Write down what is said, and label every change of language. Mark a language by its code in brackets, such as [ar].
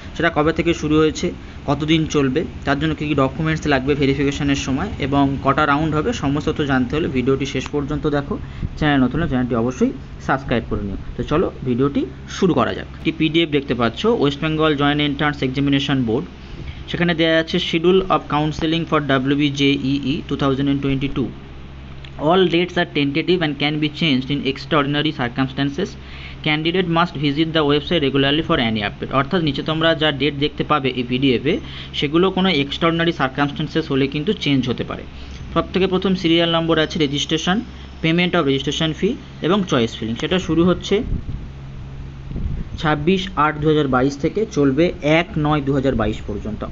[bn] সেটা কবে থেকে শুরু হয়েছে, কতদিন চলবে, তার জন্য কী কী ডকুমেন্টস লাগবে ভেরিফিকেশনের সময় এবং কটা রাউন্ড হবে, সমস্ত তথ্য জানতে হলে ভিডিওটি শেষ পর্যন্ত দেখো। চ্যানেল নতুন হলে চ্যানেলটি অবশ্যই সাবস্ক্রাইব করে নিও। তো চলো ভিডিওটি শুরু করা যাক। একটি PDF দেখতে পাচ্ছ, West Bengal joint entrance examination board, সেখানে দেওয়া আছে [en] Schedule of counselling for WBJEE 2022। All dates are tentative and can be changed in extraordinary circumstances. Candidate must visit the website regularly for any update. [bn] অর্থাৎ নিচে তোমরা যা date দেখতে পাবে এই PDF-এ, সেগুলো কোনো এক্সট্রাঅর্ডিনারি সার্কামস্টান্সেস হলে কিন্তু চেঞ্জ হতে পারে। সব থেকে প্রথম সিরিয়াল নম্বর আছে registration, payment of registration fee এবং চয়েস ফিলিং, সেটা শুরু হচ্ছে 26/8/2022 থেকে চলবে 1/9/2022 পর্যন্ত।